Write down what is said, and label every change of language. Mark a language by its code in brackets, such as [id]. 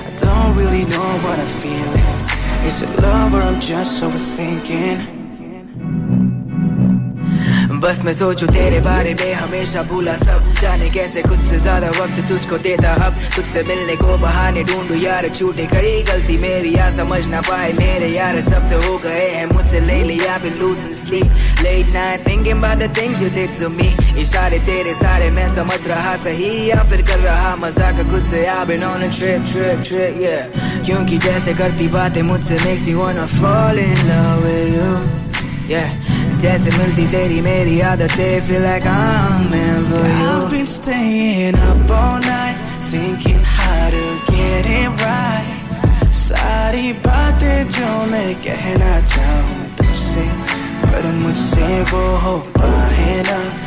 [en] don't really know what I'm feeling. Is it love or I'm just overthinking? [hi] बस मैं सोचूं तेरे बारे में हमेशा भूला सब जाने कैसे कुछ से ज्यादा वक्त तुझको देता अब तुझसे मिलने को बहाने ढूंढूं यार छूटे कई गलती मेरी या समझ ना पाए मेरे यार सब तो हो गए हैं मुझसे ले लिया been losing sleep late night thinking about the things you did to me इशारे तेरे सारे मैं समझ रहा सही या फिर कर रहा मजाक खुद से I've been on a trip trip trip yeah क्योंकि जैसे करती बातें मुझसे makes me wanna fall in love with you yeah जैसे मिलती तेरी मेरी आदतें feel like I'm in for you I've been staying up all night thinking how to get it right सारी बातें जो मैं कहना चाहूँ तुझसे पर मुझसे वो हो आहे ना